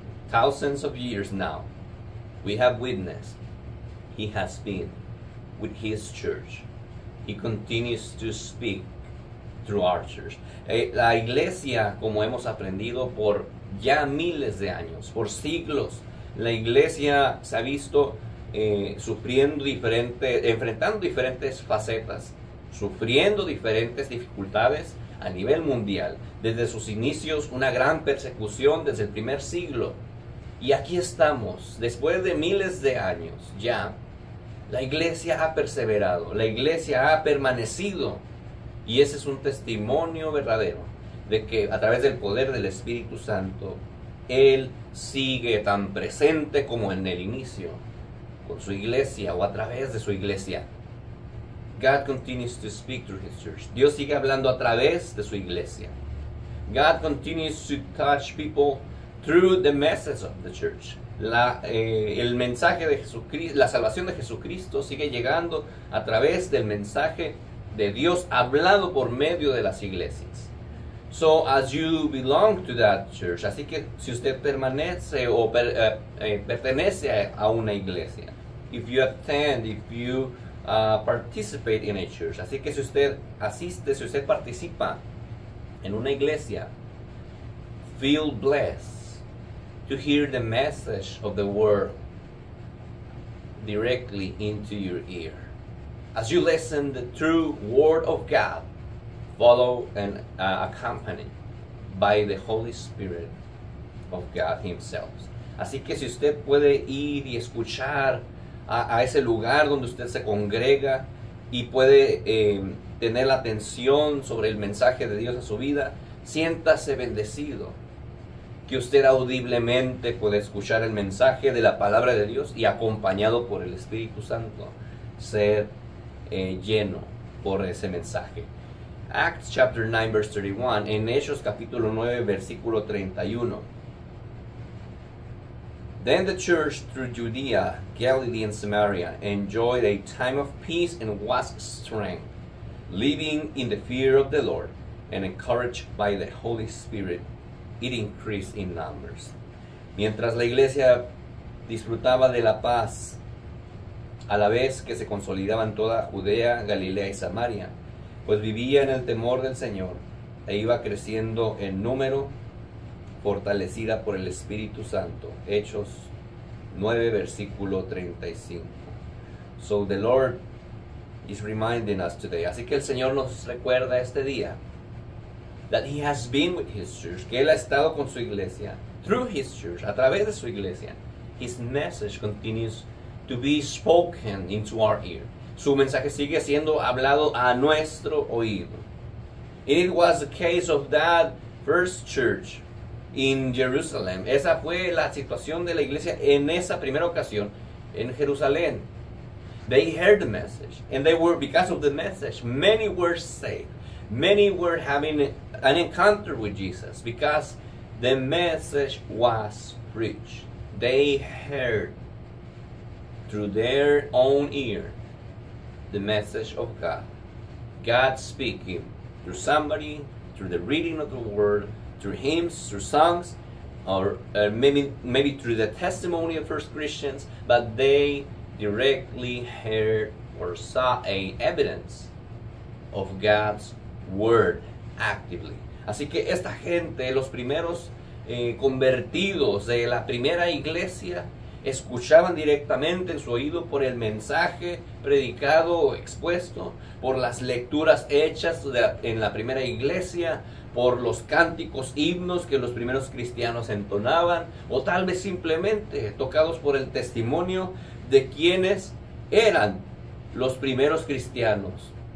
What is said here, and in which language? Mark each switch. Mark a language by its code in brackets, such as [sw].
[en] Thousands of years now, we have witnessed He has been with His church. He continues to speak through our church. [es] La iglesia, como hemos aprendido por ya miles de años, por siglos, la iglesia se ha visto enfrentando diferentes facetas, sufriendo diferentes dificultades a nivel mundial. Desde sus inicios, una gran persecución desde el primer siglo. Y aquí estamos, después de miles de años ya, la iglesia ha perseverado, la iglesia ha permanecido, y ese es un testimonio verdadero de que a través del poder del Espíritu Santo, Él sigue tan presente como en el inicio, con su iglesia o a través de su iglesia. [en] God continues to speak through His church. [es] Dios sigue hablando a través de su iglesia. [en] God continues to touch people through the message of the church. [es] El mensaje de Jesucristo, la salvación de Jesucristo sigue llegando a través del mensaje de Dios hablado por medio de las iglesias. [en] So as you belong to that church, [es] así que si usted permanece o pertenece a una iglesia, [en] if you participate in a church, [es] así que si usted participa en una iglesia, [en] feel blessed to hear the message of the word directly into your ear. As you listen the true word of God follow and accompanied by the Holy Spirit of God Himself. [es] Así que si usted puede ir y escuchar a ese lugar donde usted se congrega y puede tener la atención sobre el mensaje de Dios a su vida, siéntase bendecido que usted audiblemente puede escuchar el mensaje de la palabra de Dios y acompañado por el Espíritu Santo ser lleno por ese mensaje. [en] Acts chapter 9 verse 31, [es] en Hechos capítulo 9 versículo 31. [en] Then the church through Judea, Galilee and Samaria enjoyed a time of peace and was strengthened, living in the fear of the Lord and encouraged by the Holy Spirit, it increased in numbers. [es] Mientras la iglesia disfrutaba de la paz, a la vez que se consolidaba en toda Judea, Galilea y Samaria, pues vivía en el temor del Señor e iba creciendo en número, fortalecida por el Espíritu Santo. Hechos 9, versículo 35. [en] So the Lord is reminding us today. [es] Así que el Señor nos recuerda este día. [en] That He has been with His church. [es] Que Él ha estado con su iglesia. [en] Through His church. [es] A través de su iglesia. [en] His message continues to be spoken into our ear. [es] Su mensaje sigue siendo hablado a nuestro oído. [en] It was the case of that first church in Jerusalem. [es] Esa fue la situación de la iglesia en esa primera ocasión en Jerusalén. [en] They heard the message, and they were, because of the message, many were saved. Many were having an encounter with Jesus because the message was preached. They heard through their own ear the message of God. God speaking through somebody, through the reading of the word, through hymns, through songs, or maybe through the testimony of first Christians, but they directly heard or saw a evidence of God's word actively. [es] Así que esta gente, los primeros convertidos de la primera iglesia, escuchaban directamente en su oído por el mensaje predicado o expuesto, por las lecturas hechas en la primera iglesia, por los cánticos, himnos que los primeros cristianos entonaban, o tal vez simplemente tocados por el testimonio de quienes eran los primeros cristianos.